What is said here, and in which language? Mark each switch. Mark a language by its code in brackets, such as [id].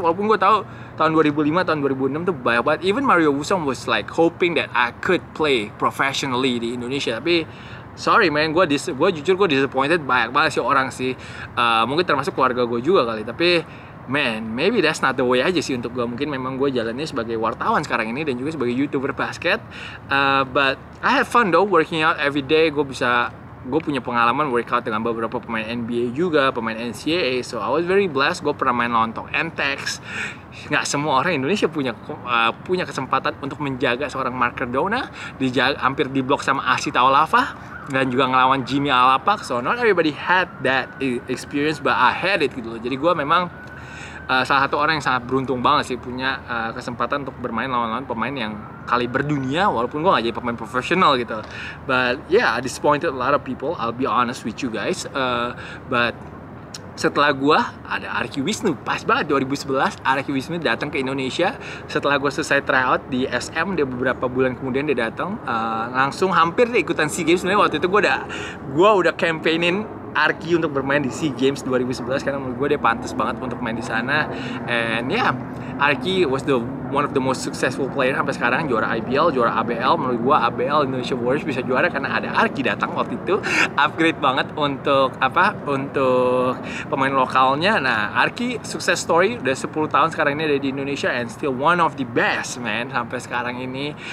[id] Walaupun gue tahu tahun 2005, tahun 2006 tuh banyak banget. [en] Even Mario Wusang was like hoping that I could play professionally [id] di Indonesia, tapi [en] sorry man, [id] gue jujur disappointed banyak banget sih orang sih. Mungkin termasuk keluarga gue juga kali. Tapi man, [en] maybe that's not the way [id] aja sih untuk gue. Mungkin memang gue jalannya sebagai wartawan sekarang ini dan juga sebagai YouTuber basket. [en] But I have fun though working out every day. [id] Gue punya pengalaman workout dengan beberapa pemain NBA juga, pemain NCAA. [en] So I was very blessed. [id] Gue pernah main lontong Entex. Gak semua orang Indonesia punya kesempatan untuk menjaga seorang Mark Cardona, hampir di blok sama Asi Taulava, dan juga ngelawan Jimmy Alapak. [en] So not everybody had that experience, but I had it [id] gitu loh. Jadi gue memang salah satu orang yang sangat beruntung banget sih punya kesempatan untuk bermain lawan-lawan pemain yang kaliber dunia, walaupun gue gak jadi pemain profesional gitu. [en] But yeah, I disappointed a lot of people, I'll be honest with you guys. But [id] Setelah gue, ada Arki Wisnu. Pas banget 2011, Arki Wisnu datang ke Indonesia. Setelah gue selesai tryout di SM, dia beberapa bulan kemudian dia datang langsung hampir ikutan SEA Games. Sebenarnya waktu itu gue udah campaignin Arki untuk bermain di SEA Games 2011 karena menurut gue dia pantas banget untuk main di sana. [en] And yeah, Arki was the one of the most successful player [id] sampai sekarang, juara IBL, juara ABL. Menurut gue ABL Indonesia Warriors bisa juara karena ada Arki datang waktu itu. Upgrade banget untuk apa? Untuk pemain lokalnya. Nah, Arki success story udah 10 tahun sekarang ini ada di Indonesia [en] and still one of the best man [id] sampai sekarang ini.